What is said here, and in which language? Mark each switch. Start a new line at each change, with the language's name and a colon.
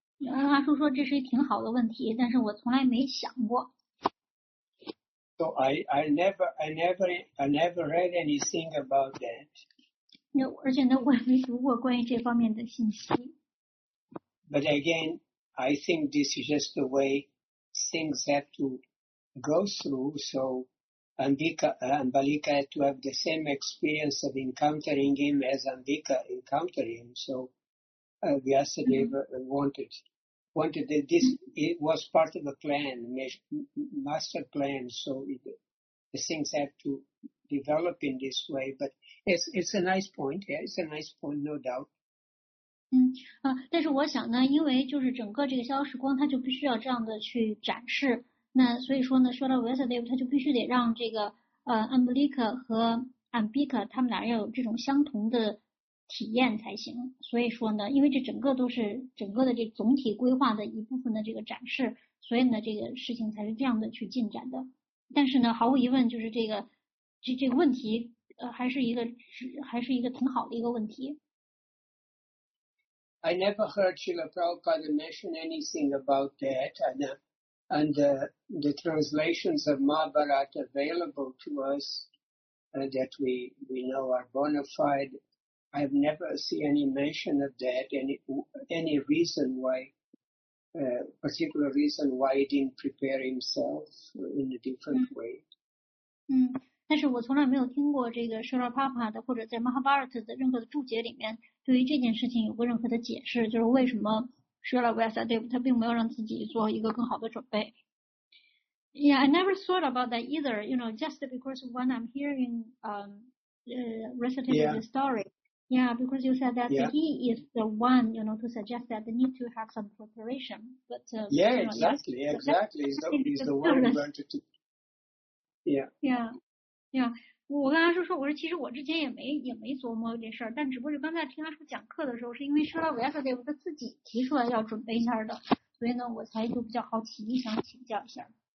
Chinese: 阿叔说这是一挺好的问题，但是我从来没想过。
English: So I never read anything about that.
Chinese: 而且呢，我也没读过关于这方面的信息。
English: But again, I think this is just the way things have to go through. So Ambalika had to have the same experience of encountering him as Ambika encountered him. So Vyasadeva wanted that this it was part of a plan, master plan. So the things have to develop in this way, but it's a nice point. Yeah, it's a nice point, no doubt.
Chinese: 但是我想呢，因为就是整个这个消时光，它就必须要这样的去展示。那所以说呢，说到 Vyasadeva， 他就必须得让这个Ambalika 和 Ambika 他们俩要有这种相同的体验才行。所以说呢，因为这整个都是整个的这总体规划的一部分的这个展示，所以呢，这个事情才是这样的去进展的。但是呢，毫无疑问，就是这个问题，还是一个挺好的一个问题。
English: I never heard Srila Prabhupada mention anything about that, and the translations of Mahabharata available to us that we know are bona fide. I've never seen any mention of that, any reason why. Particular reason why he didn't prepare himself in a different way.
Chinese: 但是我从来没有听过这个 Srila Prabhupada 的或者在 Mahabharata 的任何的注解里面对于这件事情有过任何的解释，就是为什么 Srila Vyasadeva 他并没有让自己做一个更好的准备。
English: Yeah, I never thought about that either, you know, just because when I'm hearing recitation of the story. Yeah, because you said that he is the one, you know, to suggest that they need to have some preparation. But, exactly. So he's the one who wanted to. Yeah. Yeah.
Chinese: 呀，我跟他说，我说其实我之前也没琢磨这事儿，但只不过是刚才听他说讲课的时候，是因为说到
English: yesterday，
Chinese: 他自己提出来要准备一下的，所以呢，我才就比较好奇，想请教一下。